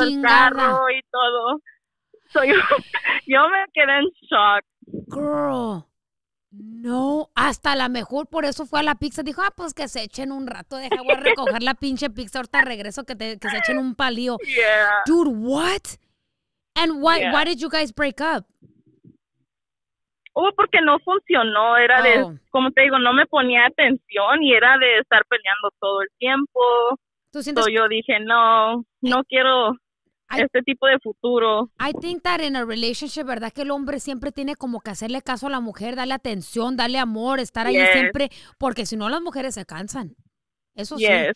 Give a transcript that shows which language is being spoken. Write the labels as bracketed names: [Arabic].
[Spanish] chingada. El carro y todo. So yo me quedé en shock. Girl, no, hasta la mejor, por eso fue a la pizza. Dijo, ah, pues que se echen un rato, deja, voy a recoger la pinche pizza, ahorita regreso, que se echen un palío. [English] Yeah. Dude, what? And why, yeah. Why did you guys break up? [Spanish] Oh, porque no funcionó, era de, como te digo, no me ponía atención y era de estar peleando todo el tiempo. ¿Tú sientes? So yo dije, no quiero este tipo de futuro. [English] I think that in a relationship, ¿verdad? [Spanish] Que el hombre siempre tiene como que hacerle caso a la mujer, darle atención, darle amor, estar ahí siempre, porque si no las mujeres se cansan, eso sí.